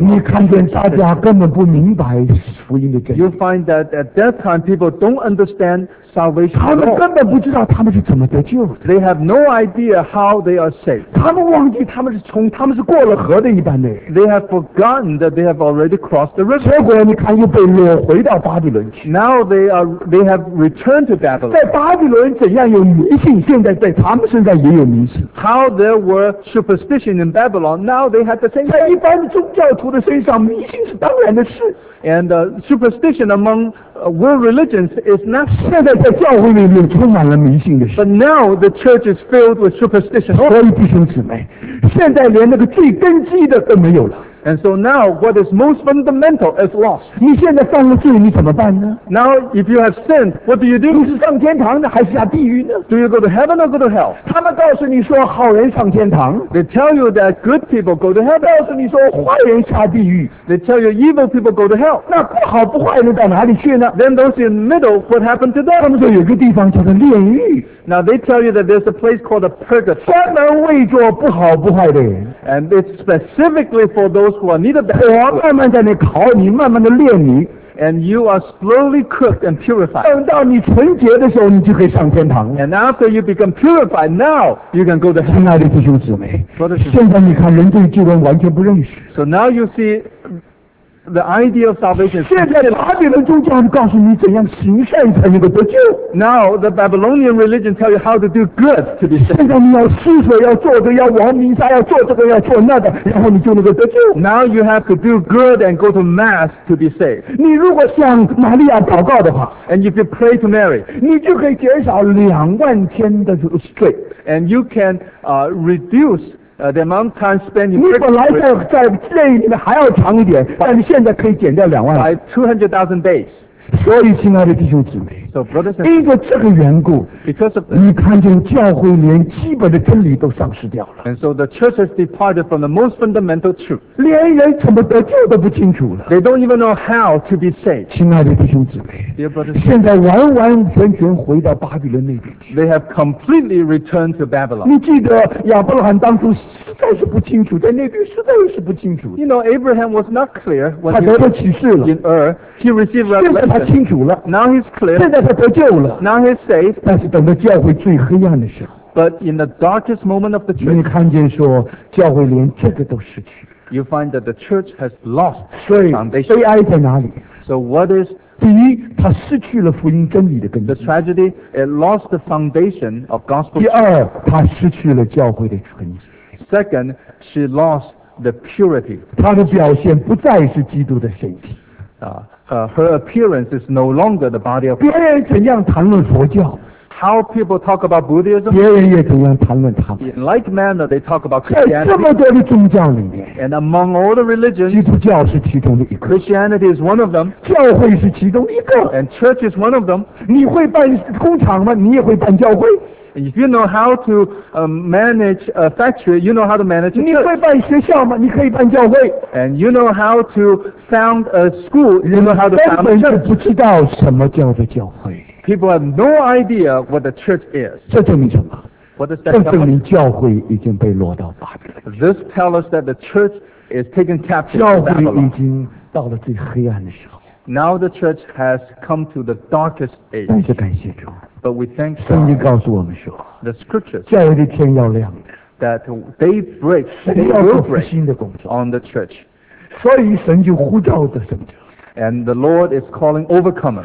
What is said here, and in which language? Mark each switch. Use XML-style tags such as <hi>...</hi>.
<zh>你看见大家根本不明白福音的真理。</zh> <en>You find that at that time, people don't understand salvation.</en> <zh>他们根本不知道他们是怎么得救的。</zh> <en>They have no idea how they are saved.</en> <zh>他们忘记他们是过了河的一般的。</zh> <en>They have forgotten that they have already crossed the river.</en> <zh>结果你看又被掳回到巴比伦去。</zh> <en>Now they have returned to Babylon.</en> <zh>在巴比伦怎样有迷信，现在在他们身上也有迷信。</zh> <en>How there were superstition in Babylon. Now they have the same.</en> <zh>在一般的宗教徒的身上，迷信是当然的事。</zh> <en>And superstition among world religions is not.</en> <zh>现在在教会里面充满了迷信的事。</zh> <en>But now the church is filled with superstition.</en> <zh>所以弟兄姊妹，现在连那个最根基的都没有了。</zh> <en>And so now what is most fundamental is lost.</en> <zh>你现在犯了罪，你怎么办呢？</zh> <en>Now if you have sinned, what do you do?</en> <zh>你是上天堂呢，还是下地狱呢？</zh> <en>Do you go to heaven or go to hell?</en> <zh>他们告诉你说好人上天堂。</zh> <en>They tell you that good people go to heaven.</en> <zh>告诉你说坏人下地狱。</zh> <en>They tell you evil people go to hell.</en> <zh>那不好不坏人到哪里去呢？</zh> <en>Then those in the middle, what happened to them?</en> <zh>他们说有个地方叫做炼狱。</zh> <en>Now they tell you that there's a place called a purgatory.</en> <zh>专门为做不好不坏的人。</zh> <en>And it's specifically for those who are neither bad.</en> <zh>我慢慢在那烤你，慢慢的炼你。</zh> <en>And you are slowly cooked and purified.</en> <zh>等到你纯洁的时候，你就可以上天堂。</zh> <en>And after you become purified, now you can go to heaven.</en> <zh>亲爱的弟兄姊妹，现在你看人对救恩完全不认识。</zh> <en>So now you see. The idea of salvation.</en> <zh>现在巴比伦宗教告诉你怎样行善才能够得救。</zh> <en>Now the Babylonian religion tell you how to do good to be saved.</en> <zh>现在你要施舍，要做这个，要往弥撒，要做这个，要做那个，然后你就能够得救。</zh> <en>Now you have to do good and go to mass to be saved.</en> <zh>你如果向玛利亚祷告的话</zh> <en>，and if you pray to Mary,</en> <zh>你就可以减少20,000天的罪</zh> <en>，and you can reduce. The amount of time spent in prison.</en> <zh>你本来在监狱里面还要长一点，但是现在可以减掉20,000。</zh> <en>By 200,000 days.</en> <zh>所以，亲爱的弟兄姊妹，</zh> <en>so brothers and sisters,</en> <zh>因着这个缘故，</zh> <en>because of</en> <zh>你看见教会连基本的真理都丧失掉了。</zh> <en>And so the church has departed from the most fundamental truth.</en> <zh>连人怎么得救都不清楚了。</zh> <en>They don't even know how to be saved.</en> <zh>亲爱的弟兄姊妹，</zh> <en>dear brothers,</en> <zh>现在完完全全回到巴比伦那边去。</zh> <en>They have completely returned to Babylon.</en> <zh>你记得亚伯拉罕当初。实在是不清楚，在那边实在是不清楚。</zh> <en>You know, Abraham was not clear.</en> <zh>他得到启示了。</zh> <en>In Ur, he received revelation.</en> <zh>现在他清楚了。</zh> <en>Now he's clear.</en> <zh>现在他得救了。</zh> <en>Now he's saved.</en> <zh>但是等到教会最黑暗的时候。</zh> <en>But in the darkest moment of the church.</en> <zh>你看见说教会连这个都失去。</zh> <en>You find that the church has lost foundation.</en> <zh>悲哀在哪里？</zh> <en>So what is?</en> <zh>第一，他失去了福音真理的根基。</zh> <en>The tragedy, it lost the foundation of gospel.</en> <zh>第二，他失去了教会的纯洁。</zh> <en>Second, she lost the purity.</en> <zh>她的表现不再是基督的身体。</zh> <en>Her appearance is no longer the body of Christ.</en> <zh>别人怎样谈论佛教？</zh> <en>How people talk about Buddhism?</en> <zh>别人也怎样谈论他们？</zh> <en>In like manner, they talk about Christianity.</en> <zh>在这么多的宗教里面，</zh> <en>and among all the religions,</en> <zh>基督教是其中的一个。</zh> <en>Christianity is one of them.</en> <zh>教会是其中一个。</zh> <en>And church is one of them.</en> <zh>你会办工厂吗？你也会办教会？</zh> <en>If you know how to manage a factory, you know how to manage a church.</en> <zh>你会办学校吗？你可以办教会。</zh> <en>And you know how to found a school. You know how to found a church.</en> <zh>根本就不知道什么叫做教会。</zh> <en>People have no idea what the church is.</en> <zh>这证明什么？</zh> <en>What does that tell us?</en> <zh>这证明教会已经被掳到巴比伦。</zh> <en>This tells us that the church is taken captive.</en> <zh>教会已经到了最黑暗的时候。</zh> <en>Now the church has come to the darkest age.</en> <zh>但是感谢主。</zh> <en>But we thank God.</en> <zh>圣经告诉我们说，</zh> <en>the scriptures,</en> <zh>教会的天要亮的。</zh> <en>that they break, they will break on the church.</en> <zh>所以神就呼召得胜者。</zh> <en>And the Lord is calling overcomers.</en>